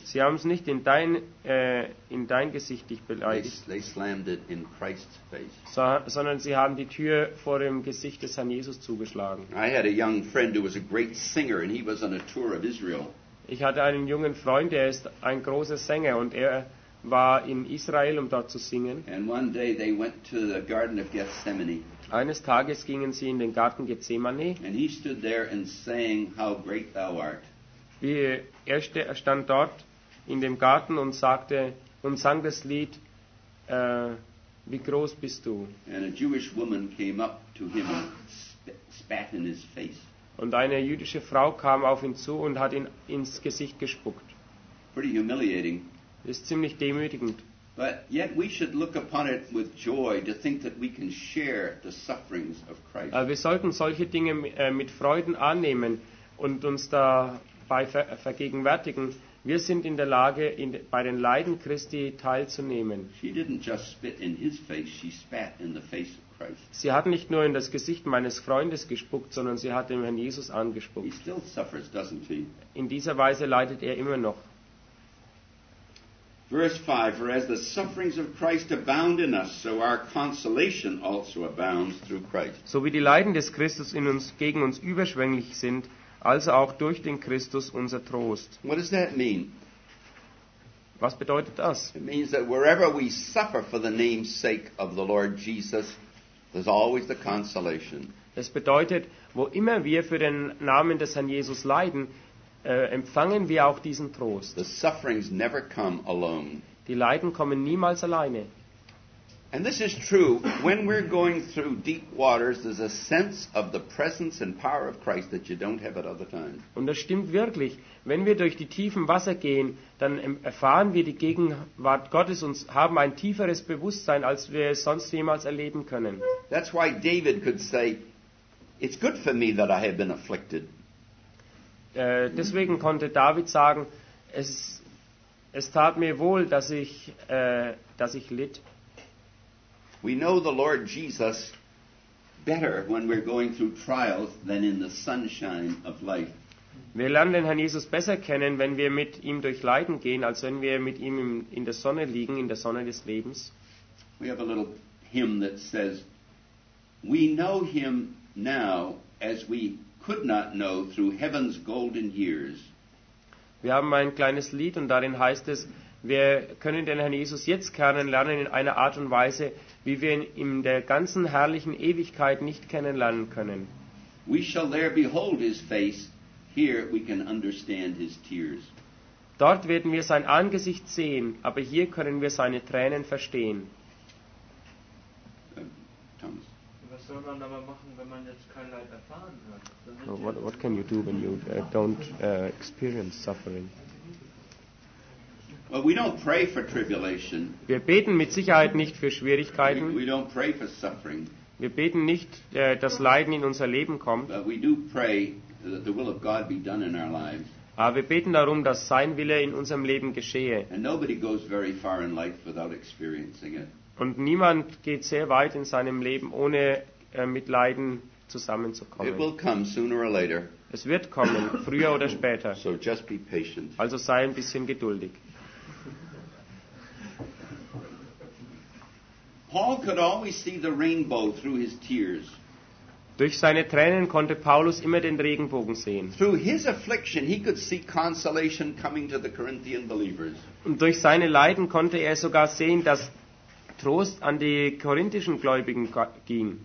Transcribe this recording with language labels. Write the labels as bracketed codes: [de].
[de] Sie haben es nicht in dein Gesicht dich beleidigt. [en] They slammed it in Christ's face. [de] Sondern sie haben die Tür vor dem Gesicht des Herrn Jesus zugeschlagen. [en] I had a young friend who was a great singer and he was on a tour of Israel. [de] Ich hatte einen jungen Freund, der ist ein großer Sänger und er war in Israel, um dort zu singen. [en] And one day they went to the Garden of Gethsemane. [de] Eines Tages gingen sie in den Garten Gethsemane. [en] And he stood there and sang, "How great thou art." [de] Er stand dort in dem Garten und sagte und sang das Lied, "Wie groß bist du?" [en] And a Jewish woman came up to him and spat in his face. [de] Und eine jüdische Frau kam auf ihn zu und hat ihn ins Gesicht gespuckt. [en] Pretty humiliating. [de] Ist ziemlich demütigend. [en] But yet we should look upon it with joy to think that we can share the sufferings of Christ. [de] Wir sollten solche Dinge mit Freuden annehmen und uns dabei vergegenwärtigen. Wir sind in der Lage, bei den Leiden Christi teilzunehmen. Sie hat nicht nur in das Gesicht meines Freundes gespuckt, sondern sie hat dem Herrn Jesus angespuckt. [en] He still suffers, doesn't he? [de] In dieser Weise leidet er immer noch. [en] Verse 5, for as the sufferings of Christ abound in us, so our consolation also abounds through Christ. [de] So wie die Leiden des Christus in uns gegen uns überschwänglich sind, also auch durch den Christus unser Trost. [en] What does that mean? [de] Was bedeutet das? [en] It means that wherever we suffer for the name's sake of the Lord Jesus, there's always the consolation. [de] Es bedeutet, wo immer wir für den Namen des Herrn Jesus leiden, empfangen wir auch diesen Trost. [en] The sufferings never come alone. [de] Die Leiden kommen niemals alleine. [en] And this is true when we're going through deep waters, there's a sense of the presence and power of Christ that you don't have at other times. [de] Und das stimmt wirklich. Wenn wir durch die tiefen Wasser gehen, dann erfahren wir die Gegenwart Gottes und haben ein tieferes Bewusstsein, als wir es sonst jemals erleben können. [en] That's why David could say, it's good for me that I have been afflicted. [de] Deswegen konnte David sagen, es tat mir wohl, dass ich litt. [en] We know the Lord Jesus better when we're going through trials than in the sunshine of life. [de] Wir lernen den Herrn Jesus besser kennen, wenn wir mit ihm durch Leiden gehen, als wenn wir mit ihm in der Sonne liegen, in der Sonne des Lebens. [en] We have a little hymn that says, we know him now as we could not know through heaven's golden years. [de] Wir haben ein kleines Lied und darin heißt es, wir können den Herrn Jesus jetzt kennenlernen in einer Art und Weise, wie wir ihn in der ganzen herrlichen Ewigkeit nicht kennenlernen können. [en] We shall there behold his face, here we can understand his tears. [de] Dort werden wir sein Angesicht sehen, aber hier können wir seine Tränen verstehen. Thomas. Was soll man aber machen, wenn man jetzt kein Leid erfahren hat? [en] So, what can you do when you don't experience suffering? Well, we don't pray for tribulation. [de] Wir beten mit Sicherheit nicht für Schwierigkeiten. [en] We don't pray for suffering. [de] Wir beten nicht, dass Leiden in unser Leben kommt. [en] But we do pray that the will of God be done in our lives. [de] Aber wir beten darum, dass sein Wille in unserem Leben geschehe. [en] And nobody goes very far in life without experiencing it. [de] Und niemand geht sehr weit in seinem Leben, ohne mit Leiden zusammenzukommen. [en] It will come sooner or later. [de] Es wird kommen, früher oder später. [en] So just be patient. [de] Also sei ein bisschen geduldig. [en] Paul could always see the rainbow through his tears. [de] Durch seine Tränen konnte Paulus immer den Regenbogen sehen. [en] Through his affliction he could see consolation coming to the Corinthian believers. [de] Und durch seine Leiden konnte er sogar sehen, dass Trost an die korinthischen Gläubigen ging.